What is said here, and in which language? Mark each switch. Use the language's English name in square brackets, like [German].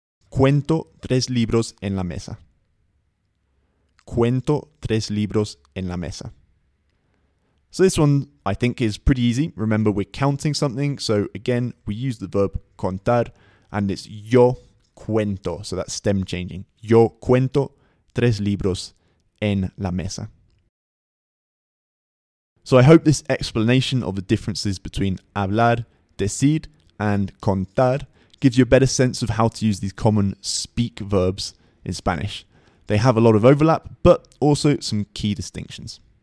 [Spanish] Cuento tres libros en la mesa. Cuento tres libros en la mesa. [English] So this one, I think, is pretty easy. Remember, we're counting something. So again, we use the verb contar, and it's yo cuento. So that's stem changing. [Spanish] Yo cuento tres libros en la mesa. [English] So I hope this explanation of the differences between hablar, decir, and contar gives you a better sense of how to use these common speak verbs in Spanish. They have a lot of overlap, but also some key distinctions.